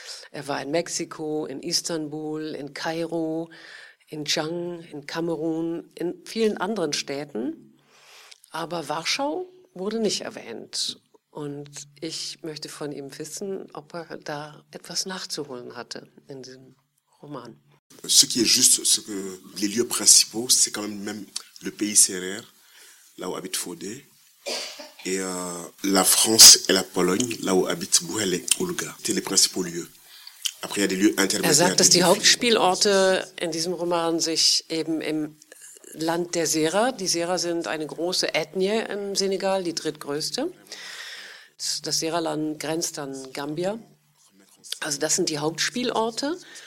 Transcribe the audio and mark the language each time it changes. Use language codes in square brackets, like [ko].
[de] Er war in Mexiko, in Istanbul, in Kairo, in Chang, in Kamerun, in vielen anderen Städten. Aber Warschau wurde nicht erwähnt. Und ich möchte von ihm wissen, ob er da etwas nachzuholen hatte in diesem Roman. [fr] Ce qui est juste, ce que les lieux principaux, c'est quand même le pays Serer, là où habite Faudet, et la France et la Pologne, là où habite Bouhel et Olga. C'est les principaux lieux. [de] Er sagt, dass die Hauptspielorte in diesem Roman sich eben im Land der Serer, die Serer sind eine große Ethnie im Senegal, die drittgrößte. Das Sererland grenzt an Gambia. Also das sind die Hauptspielorte.